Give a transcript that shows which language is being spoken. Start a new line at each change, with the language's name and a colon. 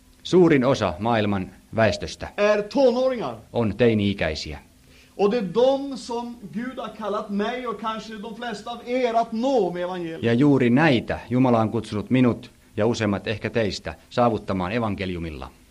Finnish: Suurin osa maailman väestöstä
Swedish: är tonåringar.
Finnish: On teini-ikäisiä.
Swedish: Och det är de som Gud har kallat mig och kanske de flesta av er att nå med evangeliet.
Finnish: Ja juuri näitä Jumala on kutsunut minut ja useimmat ehkä teistä saavuttamaan evankeliumilla.